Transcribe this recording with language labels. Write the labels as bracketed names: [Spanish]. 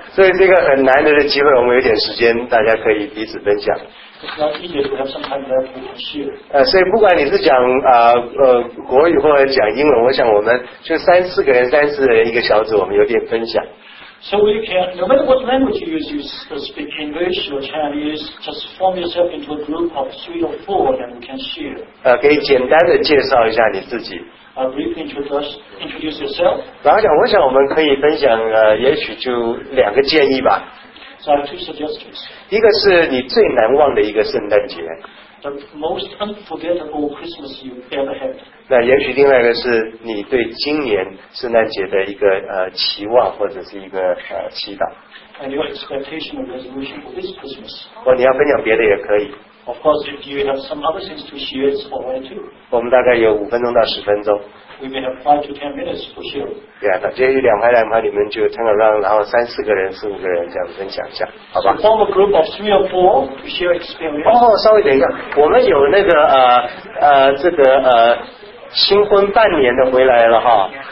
[Chinese] 所以这个很难得的机会，我们有点时间，大家可以彼此分享。所以不管你是讲国语或者讲英文，我想我们就三四个人，三四人一个小组，我们有点分享。 [English] So we can, no matter what language you use, you speak English or Chinese, just form yourself into a group of three or four and we can share. [Chinese] 可以简单的介绍一下你自己。 [English] Introduce yourself. [Chinese] 然后我想我们可以分享也许就两个建议吧。 [English] So I have two suggestions. [Chinese] 一个是你最难忘的一个圣诞节。 [English] The most unforgettable Christmas you ever had. [Chinese] 那也许另外一个是你对今年圣诞节的一个期望或者是一个祈祷。 [English] And your expectation or resolution for this Christmas. [Chinese] 或你要分享别的也可以。 [English] Of course, if you have some other things to share, it's all right too. [Chinese] 我们大概有五分钟到十分钟。 [English] We may have 5 to 10 minutes for sharing. [Chinese] 对啊，那接下来两排两排你们就 [English] turn around， [Chinese] 然后三四个人、四五个人这样分享一下，好吧 [English] ？Form a group of 3 or 4 to share experience. [Chinese] 哦，稍微等一下，我们有那个这个新婚半年的回来了哈。